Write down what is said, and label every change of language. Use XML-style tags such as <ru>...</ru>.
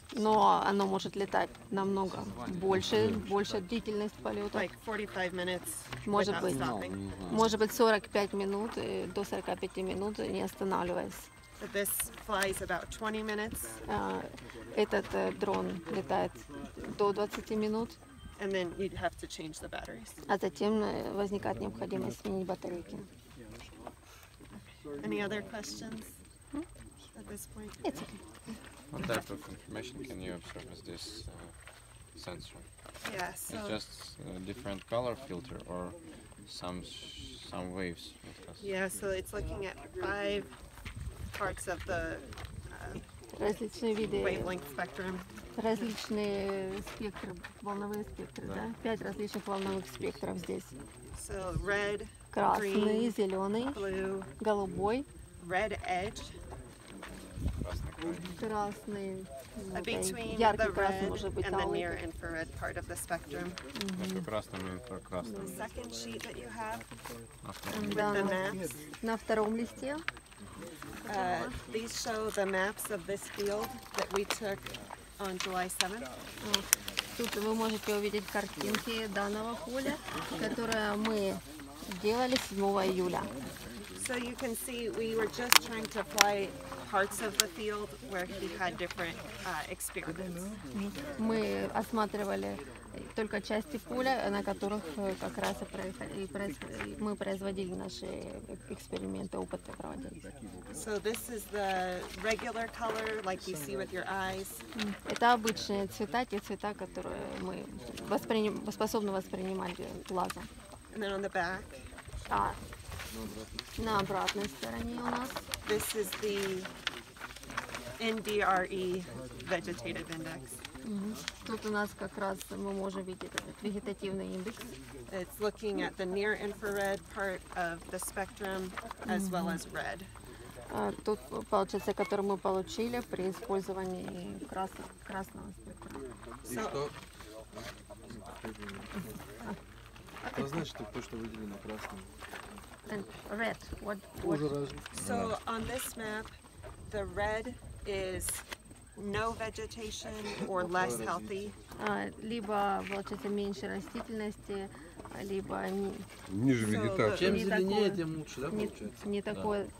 <ru>Но оно может летать намного больше, больше длительность полета.</ru> <en>Like 45 minutes.</en> <ru>Может быть, до 45 минут не останавливаясь.</ru> <en>This flies about 20 minutes.</en> <ru>Этот дрон летает до 20 минут.</ru> <en>And then you'd have to change the batteries.</en> <ru>А затем возникает необходимость сменить батарейки.</ru> <en>Any other questions at this point? It's okay. What type of information can you observe with this sensor? Yes. Yeah, so it's just a different color filter or some waves. Yeah. So it's looking at five parts of the</en> <ru>различные виды,</ru> <en>wavelength spectrum.</en> <ru>Различные спектры, волновые спектры,</ru> <en>right.</en> <ru>Да? Пять различных волновых спектров здесь.</ru> <en>So red,</en> <ru>красный,</ru> <en>green,</en> <ru>зеленый,</ru> <en>blue,</en> <ru>голубой,</ru> <en>red edge,</en> <ru>красный,</ru> <en>between</en> <ru>яркий</ru> <en>the</en> <ru>красный,</ru> <en>red</en> <ru>может быть,</ru> <en>and the near infrared part of the spectrum.</en> <ru>Между красным и инфракрасным.</ru> <en>The second sheet that you have with the maps.</en> <ru>На втором листе.</ru> <en>These show the maps of this field that we took on July 7th.</en> <ru>Тут вы можете увидеть картинки данного поля, которое мы делали 7 июля.</ru> <en>So you can see we were just trying to apply parts of the field where he had different experiments.</en> <ru>Мы осматривали только части поля, на которых как раз мы производили наши эксперименты, опыты проводили.</ru> <en>So this is the regular color, like you see with your eyes.</en> <ru>Это обычные цвета, те цвета, которые мы способны воспринимать глазом.</ru> <en>And then on the back.</en> <ru>На обратной стороне у нас.</ru> <en>This is the NDRE vegetative index.</en> <ru>Тут у нас как раз мы можем видеть этот вегетативный индекс.</ru> <en>It's looking at the near infrared part of the spectrum as well as red.</en> <ru>Тут получается, который мы получили при использовании красного спектра. Что значит то, что выделили на красном?</ru> <en>Red. What? So on this map, the red is no vegetation or less healthy.</en> <ru>Либо получается меньше растительности, либо ниже вегетации. Чем зеленее, тем лучше, да, получается?</ru>